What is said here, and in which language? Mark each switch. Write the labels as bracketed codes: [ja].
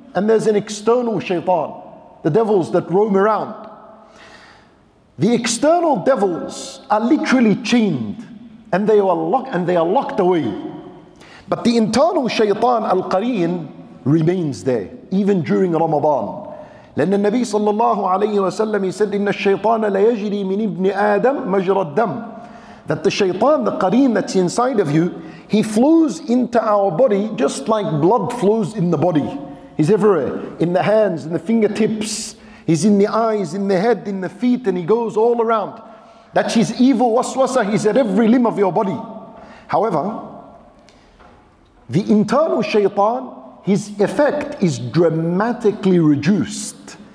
[en] And there's an external shaitan, the devils that roam around. The external devils are literally chained and they are locked away. But the internal shaytan, al-qareen, remains there even during Ramadan. [ar] لأن النبي صلى الله عليه وسلم [en] said, [ar] إن الشيطان ليجري من ابن آدم مجرى الدم. [en] That the shaytan, the qareen that's inside of you, he flows into our body just like blood flows in the body. He's everywhere, in the hands, in the fingertips. He's in the eyes, in the head, in the feet, and he goes all around. That's his evil waswasa. He's at every limb of your body. However, the internal shaitan, his effect is dramatically reduced.